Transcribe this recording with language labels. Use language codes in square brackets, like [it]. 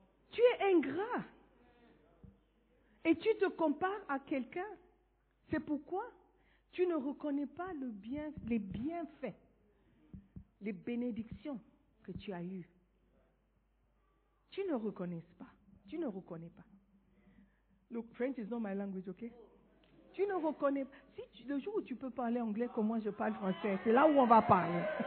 [fr] Tu es ingrat. Et tu te compares à quelqu'un. C'est pourquoi tu ne reconnais pas le bien, les bienfaits, les bénédictions que tu as eues. Tu ne reconnais pas. Tu ne reconnais pas. [en] Look, French is not my language, okay? [fr] Tu ne reconnais pas. Si tu, le jour où tu peux parler anglais comme moi, je parle français, c'est là où on va parler.